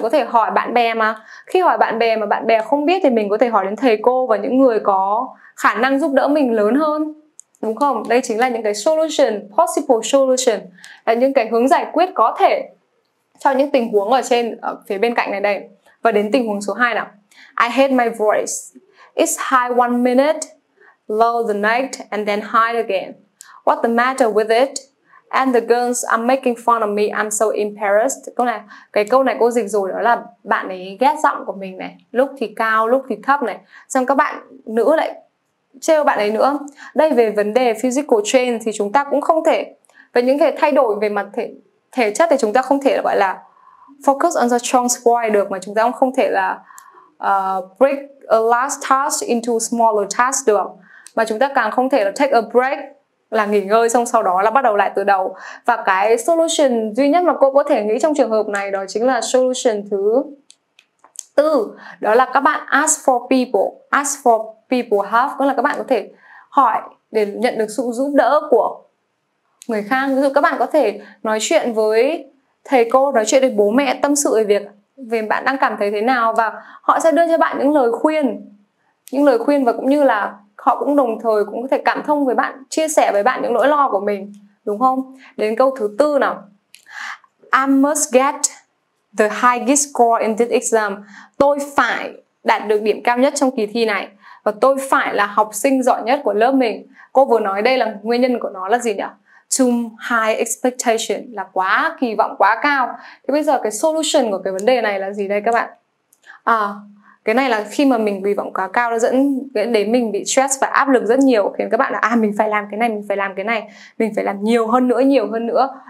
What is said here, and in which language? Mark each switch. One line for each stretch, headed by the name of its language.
Vietnamese: Bạn có thể hỏi bạn bè mà. Khi hỏi bạn bè mà bạn bè không biết thì mình có thể hỏi đến thầy cô và những người có khả năng giúp đỡ mình lớn hơn, đúng không? Đây chính là những cái solution, possible solution, là những cái hướng giải quyết có thể cho những tình huống ở phía bên cạnh này đây. Và đến tình huống số 2 nào.
English: I hate my voice. It's high one minute, low the next, and then high again. What's the matter with it? And the girls are making fun of me, I'm so embarrassed.
Vietnamese: Cái câu này cô dịch rồi, đó là bạn ấy ghét giọng của mình này, lúc thì cao, lúc thì thấp này. Xong các bạn nữ lại trêu bạn ấy nữa. Đây, về vấn đề physical change thì chúng ta cũng không thể, về những cái thay đổi về mặt thể chất thì chúng ta không thể gọi là
English: focus on the strong point
Vietnamese: được, mà chúng ta cũng không thể là
English: break a large task into smaller task
Vietnamese: được, mà chúng ta càng không thể là
English: take a break,
Vietnamese: là nghỉ ngơi xong sau đó là bắt đầu lại từ đầu. Và cái solution duy nhất mà cô có thể nghĩ trong trường hợp này đó chính là solution thứ tư, đó là các bạn
English: ask for people help,
Vietnamese: tức là các bạn có thể hỏi để nhận được sự giúp đỡ của người khác. Ví dụ các bạn có thể nói chuyện với thầy cô, nói chuyện với bố mẹ, tâm sự về bạn đang cảm thấy thế nào, và họ sẽ đưa cho bạn những lời khuyên, và cũng như là họ cũng đồng thời cũng có thể cảm thông với bạn, chia sẻ với bạn những nỗi lo của mình, đúng không? Đến câu thứ tư nào.
English: I must get the highest score in this exam.
Vietnamese: Tôi phải đạt được điểm cao nhất trong kỳ thi này, và tôi phải là học sinh giỏi nhất của lớp mình. Cô vừa nói đây là nguyên nhân của nó là gì nhỉ?
English: Too high expectation,
Vietnamese: là quá kỳ vọng, quá cao. Thế bây giờ cái solution của cái vấn đề này là gì đây các bạn? À, cái này là khi mà mình kỳ vọng quá cao nó dẫn đến mình bị stress và áp lực rất nhiều, khiến các bạn là mình phải làm cái này, mình phải làm nhiều hơn nữa.